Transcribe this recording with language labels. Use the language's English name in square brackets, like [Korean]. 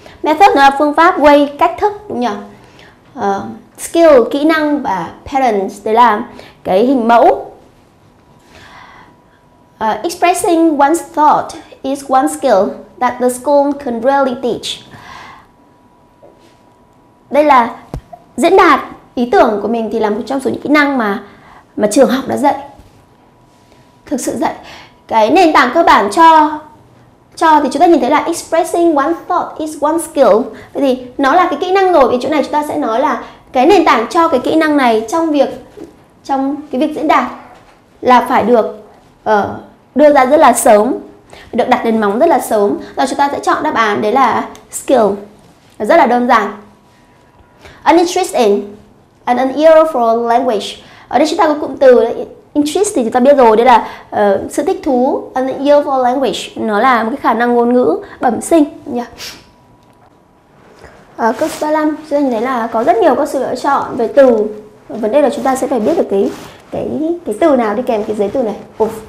[Vietnamese] Method là phương pháp, way cách thức, đúng nhỉ? Skill kỹ năng và patterns đấy là cái hình mẫu. [English] Expressing one's thought is one skill that the school can really teach. [Vietnamese] Đây là diễn đạt ý tưởng của mình thì là một trong số những kỹ năng mà trường học đã dạy, thực sự dạy. Cái nền tảng cơ bản cho thì chúng ta nhìn thấy là [English] expressing one's thought is one skill. [Vietnamese] Vậy thì nó là cái kỹ năng rồi, thì chỗ này chúng ta sẽ nói là cái nền tảng cho cái kỹ năng này trong cái việc diễn đạt là phải được đưa ra rất là sớm, được đặt nền móng rất là sớm. Rồi chúng ta sẽ chọn đáp án đấy là skill, rất là đơn giản. [English] An interest in and an ear for language. [Vietnamese] Ở đây chúng ta có cụm từ interest thì chúng ta biết rồi, đây là sự thích thú. [English] An ear for language [Vietnamese] nó là một cái khả năng ngôn ngữ bẩm sinh nhỉ. Câu số 35, chúng ta nhìn thấy là có rất nhiều các sự lựa chọn về từ. Vấn đề là chúng ta sẽ phải biết được cái từ nào đi kèm cái giới từ này.